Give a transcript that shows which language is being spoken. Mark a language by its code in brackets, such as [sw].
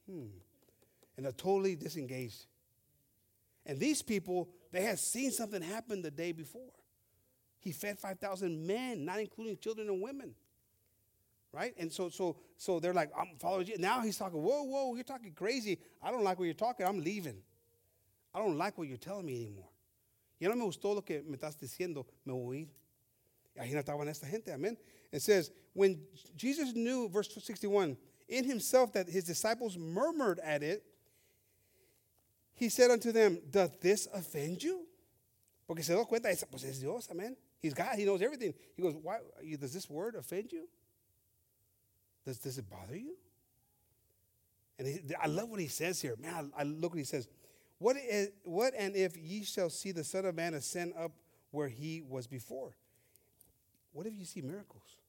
[en] And they're totally disengaged. And these people, they had seen something happen the day before. He fed 5,000 men, not including children and women, right? And so they're like, I'm following you. Now he's talking, whoa, you're talking crazy. I don't like what you're talking. I'm leaving. I don't like what you're telling me anymore. [es] Ya no me gustó lo que me estás diciendo. Me voy. Y ahí no estaban esta gente. Amen. [en] It says, when Jesus knew, verse 61, in himself that his disciples murmured at it, he said unto them, doth this offend you? [es] Porque se dio cuenta, pues es Dios, amen. [en] He's God, he knows everything. He goes, why does this word offend you? Does it bother you? And I love what he says here. Man, I look what he says. What if ye shall see the Son of Man ascend up where he was before? What if you see miracles?